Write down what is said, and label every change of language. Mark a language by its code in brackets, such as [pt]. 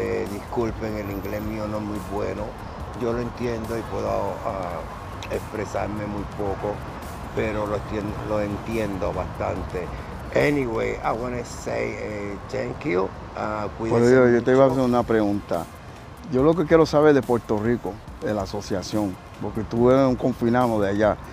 [es] Disculpen, el inglés mío no es muy bueno. Yo lo entiendo y puedo expresarme muy poco, pero lo entiendo bastante. [en] Anyway, I want to say thank you. [es] Yo te iba a hacer una pregunta. Yo lo que quiero saber de Puerto Rico, de la asociación, porque tú eres un confinado de allá.